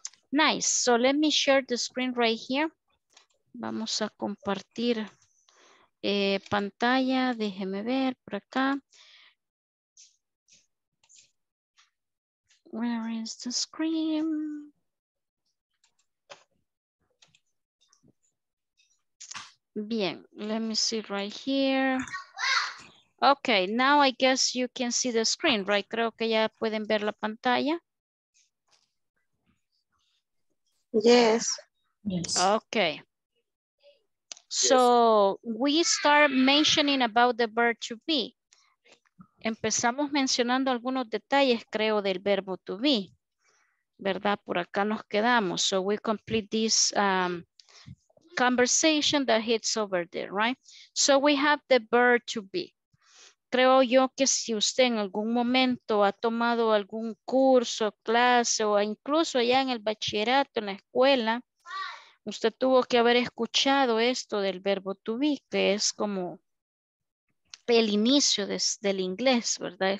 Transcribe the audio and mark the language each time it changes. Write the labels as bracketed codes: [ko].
[en] Nice, so let me share the screen right here. [es] Vamos a compartir pantalla, déjeme ver por acá. [en] Where is the screen? Bien, let me see right here. Okay, now I guess you can see the screen, right? [es] Creo que ya pueden ver la pantalla. [en] Yes. Okay. So we start mentioning about the verb to be. [es] Empezamos mencionando algunos detalles, creo, del verbo to be, ¿verdad? Por acá nos quedamos. [en] So we complete this conversation that hits over there, right? So we have the verb to be. [es] Creo yo que si usted en algún momento ha tomado algún curso, clase, o incluso ya en el bachillerato, en la escuela, usted tuvo que haber escuchado esto del verbo to be, que es como el inicio del inglés, ¿verdad?